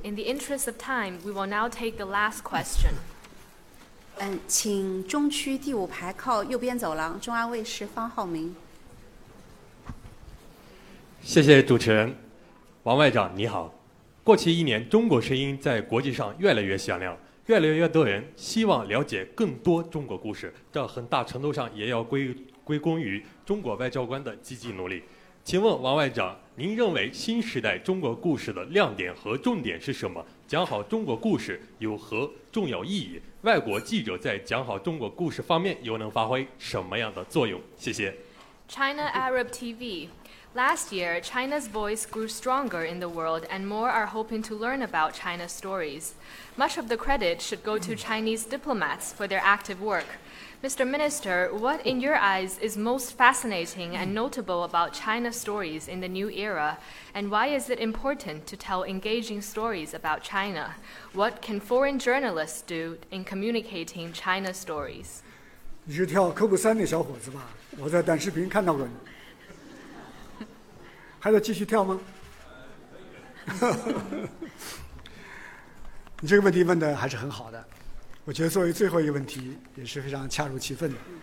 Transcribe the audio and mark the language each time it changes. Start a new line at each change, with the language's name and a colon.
English: In the interest of time, we will now take the last question.
Chinese: 请中区第五排靠右边走廊，中央卫视方浩明。谢谢主持人。王外长你好，过去一年中国声音在国际上越来越响亮，越来越多人希望了解更多中国故事，这很大程度上也要归功于中国外交官的积极努力。请问王外长，您认为新时代中国故事的亮点和重点是什么？讲好中国故事有何重要意义？外国记者在讲好中国故事方面又能发挥什么样的作用？谢谢。
English: China Arab TVLast year, China's voice grew stronger in the world and more are hoping to learn about China's stories. Much of the credit should go to Chinese diplomats for their active work. Mr. Minister, what in your eyes is most fascinating and notable about China's stories in the new era? And why is it important to tell engaging stories about China? What can foreign journalists do in communicating China's stories?
Chinese: 你是跳科普三的小伙子吧？我在短视频看到过你。还在继续跳吗？你这个问题问的还是很好的，我觉得作为最后一个问题也是非常恰如其分的。